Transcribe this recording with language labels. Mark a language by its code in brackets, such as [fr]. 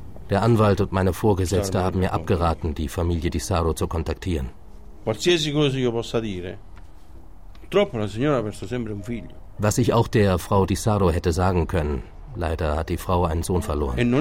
[de] Der Anwalt und meine Vorgesetzte haben mir abgeraten, die Familie Di Sarro zu kontaktieren. [it] Qualsiasi cosa io possa dire, purtroppo la signora ha perso sempre un figlio. [de] Was ich auch der Frau Di Sarro hätte sagen können, Leider hat die Frau einen Sohn verloren.